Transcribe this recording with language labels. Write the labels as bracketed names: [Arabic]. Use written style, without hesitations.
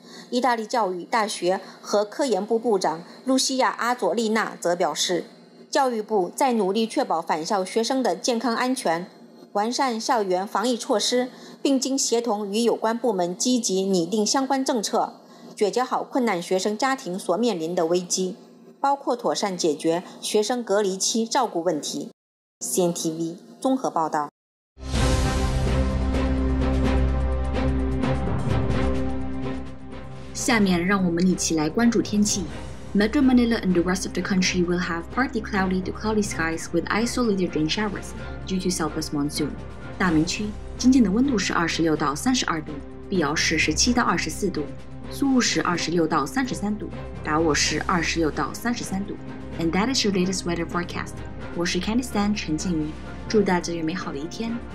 [Chinese] 意大利教育大学和科研部部长露西亚·阿佐利娜则表示，教育部在努力确保返校学生的健康安全，完善校园防疫措施，并经协同与有关部门积极拟定相关政策，解决好困难学生家庭所面临的危机，包括妥善解决学生隔离期照顾问题。 CNTV 综合报道。下面让我们一起来关注天气。 [English] Metro Manila and the rest of the country will have partly cloudy to cloudy skies with isolated rain showers due to southwest monsoon. [Chinese] 大明区今天的温度是26到32度，碧瑶市17到24度，苏雾市26到33度，达沃市26到33度。 [English] And that is your latest weather forecast. [Chinese] 我是 Candice Dan 陈静瑜，祝大家有美好的一天。